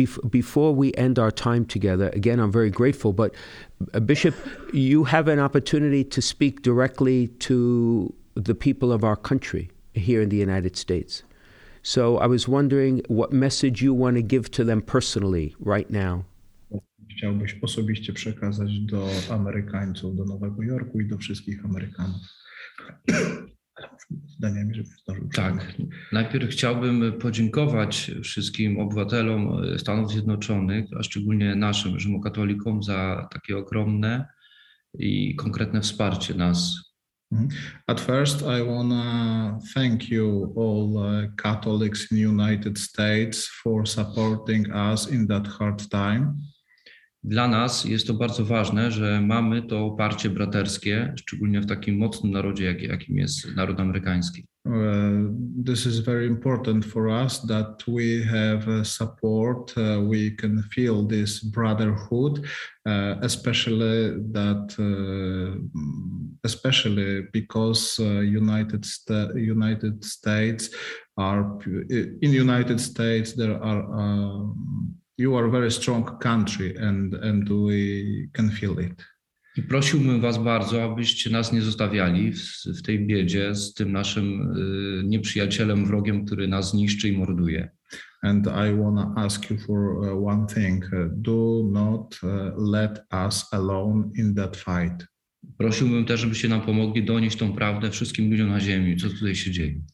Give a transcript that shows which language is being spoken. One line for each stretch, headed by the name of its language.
English: Before we end our time together, again, I'm very grateful, but Bishop, you have an opportunity to speak directly to the people of our country here in the United States. So I was wondering what message you want to give to them personally right now.
Polish: Chciałbyś osobiście przekazać do Amerykańców, do Nowego Jorku i do wszystkich Amerykanów. Zdaniami, żeby zdarzył. Tak. Najpierw chciałbym podziękować wszystkim obywatelom Stanów Zjednoczonych, a szczególnie naszym rzymokatolikom, za takie ogromne i konkretne wsparcie nas.
English: At first, I want to thank you all Catholics in the United States for supporting us in that hard time.
Polish: Dla nas jest to bardzo ważne, że mamy to oparcie braterskie, szczególnie w takim mocnym narodzie, jakim jest naród amerykański.
English: This is very important for us that we have support, we can feel this brotherhood, especially because United States are in United States there are you are a very strong country and we can feel it.
Polish: I prosiłbym was bardzo, abyście nas nie zostawiali w tej biedzie z tym naszym nieprzyjacielem, wrogiem, który nas niszczy i morduje.
English: And I want to ask you for one thing. Do not let us alone in that fight.
Polish: Prosiłbym też, żebyście nam pomogli donieść tą prawdę wszystkim ludziom na ziemi, co tutaj się dzieje.